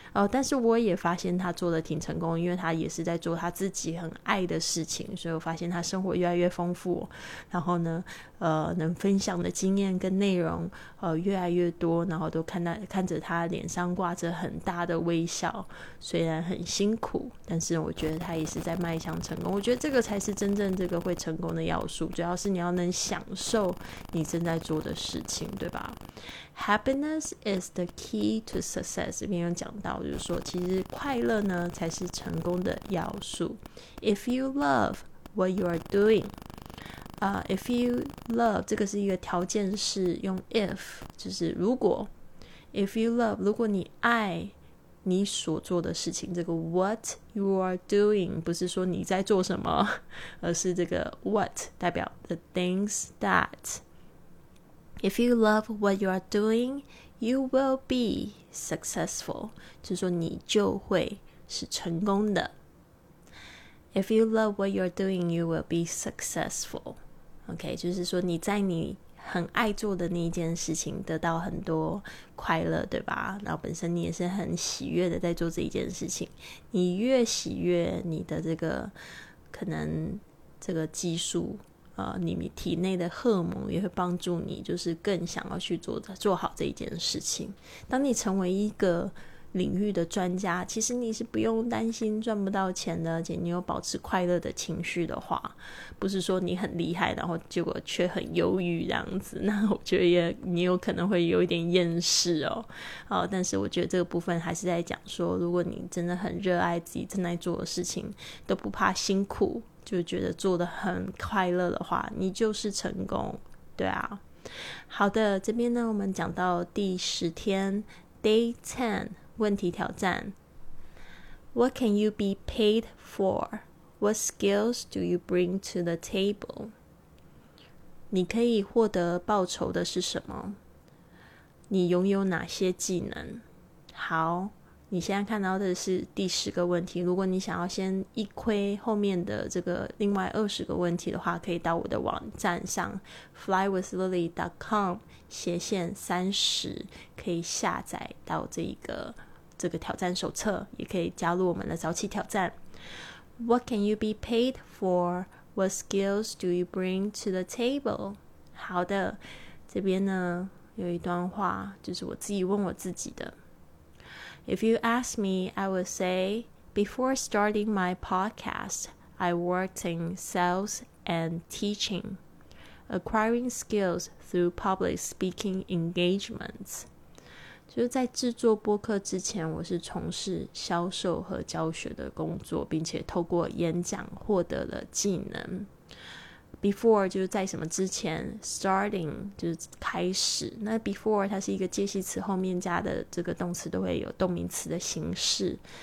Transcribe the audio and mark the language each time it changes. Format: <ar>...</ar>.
<zh>但是我也发现他做的挺成功，因为他也是在做他自己很爱的事情，所以我发现他生活越来越丰富，然后呢能分享的经验跟内容越来越多，然后都看着他脸上挂着很大的微笑，虽然很辛苦，但是我觉得他也是在迈向成功。我觉得这个才是真正这个会成功的要素，主要是你要能享受你正在做的事情，对吧？</zh> <en>Happiness is the key to success，</en> <zh>这边有讲到就是说其实快乐呢才是成功的要素。</zh> <en>If you love what you are doingIf you love，</en> <zh>这个是一个条件，是用 if， 就是如果。</zh> <en>If you love，</en> <zh>如果你爱你所做的事情，这个</zh> <en>what you are doing</en> <zh>不是说你在做什么，而是这个 what 代表</zh> <en>the things that。 If you love what you are doing， you will be successful，</en> <zh>就是说你就会是成功的。</zh> <en>If you love what you are doing， you will be successful。</en> <zh>OK， 就是说你在你很爱做的那一件事情得到很多快乐，对吧？然后本身你也是很喜悦的在做这一件事情，你越喜悦，你的这个可能这个激素你体内的荷尔蒙也会帮助你，就是更想要去做好这一件事情。当你成为一个领域的专家，其实你是不用担心赚不到钱的，而且你有保持快乐的情绪的话，不是说你很厉害然后结果却很忧郁这样子，那我觉得也你有可能会有一点厌世哦。但是我觉得这个部分还是在讲说，如果你真的很热爱自己正在做的事情，都不怕辛苦，就觉得做得很快乐的话，你就是成功。对啊，好的，这边呢我们讲到第十天 Day 10问题挑战。</zh> <en>What can you be paid for? What skills do you bring to the table?</en> <zh>你可以获得报酬的是什么？你拥有哪些技能？好，你现在看到的是第十个问题，如果你想要先一窥后面的这个另外二十个问题的话，可以到我的网站上 flywithlily.com/30可以下载到这个挑战手册，也可以加入我们的早起挑战。</zh> <en>What can you be paid for? What skills do you bring to the table?</en> <zh>好的，这边呢有一段话，就是我自己问我自己的。</zh> <en>If you ask me, I would say, Before starting my podcast, I worked in sales and teaching, acquiring skills through public speaking engagements.</en> <zh>就是在制作播客之前，我是从事销售和教学的工作，并且透过演讲获得了技能。 Before 就是在什么之前， Starting 就是开始，那 Before 它是一个介系词，后面加的这个动词都会有动名词的形式。</zh>